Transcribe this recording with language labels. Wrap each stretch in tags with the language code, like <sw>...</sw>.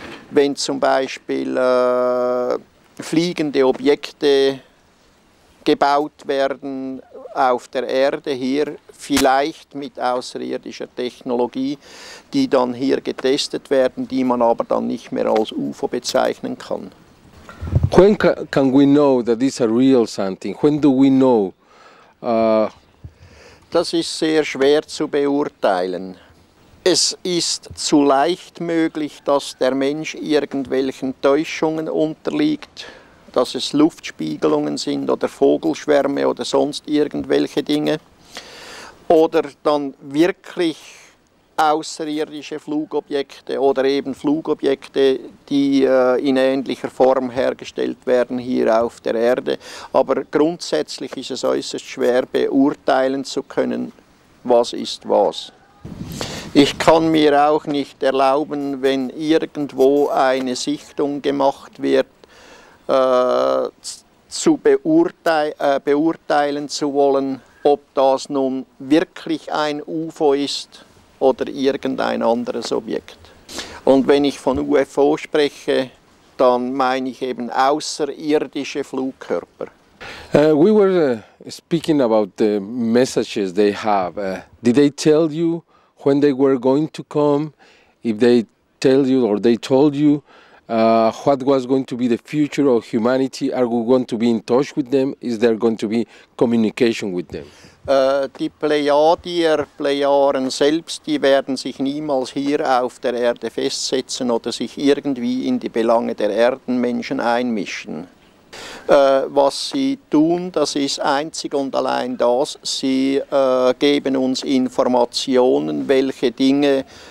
<de>Wenn zum Beispiel fliegende Objekte gebaut werden auf der Erde hier, vielleicht mit außerirdischer Technologie, die dann hier getestet werden, die man aber dann nicht mehr als UFO bezeichnen kann.</de> <en>When can we know that this is a real something? When do we know?</en> <de>Das ist sehr schwer zu beurteilen. Es ist zu leicht möglich, dass der Mensch irgendwelchen Täuschungen unterliegt, dass es Luftspiegelungen sind oder Vogelschwärme oder sonst irgendwelche Dinge. Oder dann wirklich außerirdische Flugobjekte oder eben Flugobjekte, die in ähnlicher Form hergestellt werden hier auf der Erde. Aber grundsätzlich ist es äußerst schwer beurteilen zu können, was ist was. Ich kann mir auch nicht erlauben, wenn irgendwo eine Sichtung gemacht wird, beurteilen zu wollen, ob das nun wirklich ein UFO ist oder irgendein anderes Objekt. Und wenn ich von UFO spreche, dann meine ich eben außerirdische Flugkörper.</de> <en>We were speaking about the messages they have. Did they tell you when they were going to come? If they tell you or they told you what was going to be the future of humanity? Are we going to be in touch with them? Is there going to be communication with them?</en> <de>Die Plejadier, Plejaren selbst, die werden sich niemals hier auf der Erde festsetzen oder sich irgendwie in die Belange der Erdenmenschen einmischen. Was sie tun, das ist einzig und allein das, sie geben uns Informationen, welche Dinge</de>